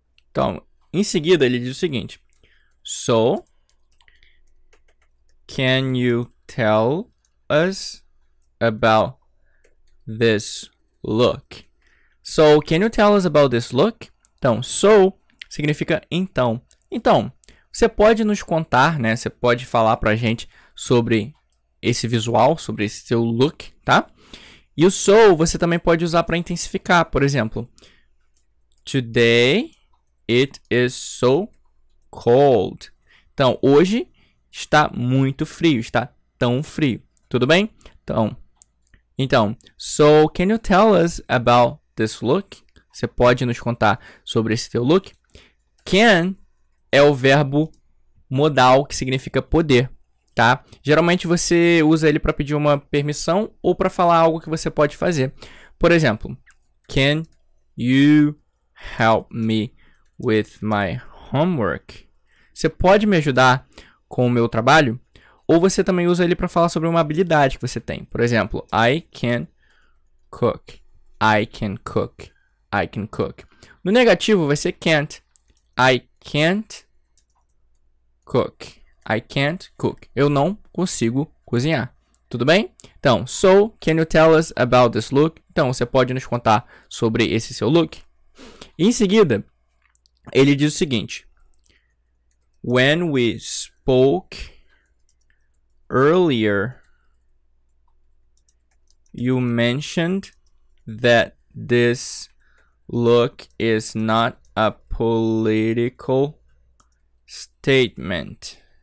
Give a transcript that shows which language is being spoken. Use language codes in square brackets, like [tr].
[pt] Então, em seguida, ele diz o seguinte. [en] So, can you tell us about this look? So, can you tell us about this look? [pt] Então, so significa então. Então, você pode nos contar, né? Você pode falar pra gente sobre esse visual, sobre esse seu look, tá? E o so você também pode usar para intensificar, por exemplo. [en] Today it is so cold. [pt] Então, hoje está muito frio, está tão frio. Tudo bem? [en] Então, so can you tell us about this look? [pt] Você pode nos contar sobre esse teu look? Can é o verbo modal que significa poder, tá? Geralmente você usa ele para pedir uma permissão ou para falar algo que você pode fazer. Por exemplo, [en] can you help me with my homework? [pt] Você pode me ajudar com o meu trabalho? Ou você também usa ele para falar sobre uma habilidade que você tem. Por exemplo, [en] I can cook. I can cook. I can cook. [pt] No negativo vai ser can't. [en] I can't cook. I can't cook. [pt] Eu não consigo cozinhar. Tudo bem? [en] Então, so, can you tell us about this look? [pt] Então, você pode nos contar sobre esse seu look? E em seguida, ele diz o seguinte. [en] When we spoke earlier, you mentioned that this look is not a political statement.